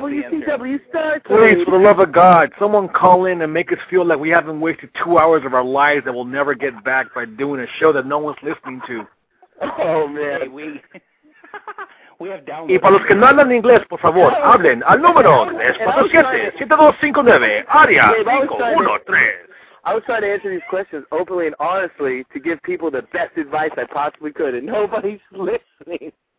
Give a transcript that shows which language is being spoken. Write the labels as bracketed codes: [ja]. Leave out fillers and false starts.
[en] Please, for the love of God, someone call in and make us feel like we haven't wasted 2 hours of our lives that we'll never get back by doing a show that no one's listening to. Oh, man. Hey, we have downloads. [es] Y para los que no hablan inglés, por favor, hablen al número 347-7259, área 513. [en] I was trying to answer these questions openly and honestly to give people the best advice I possibly could, and nobody's listening.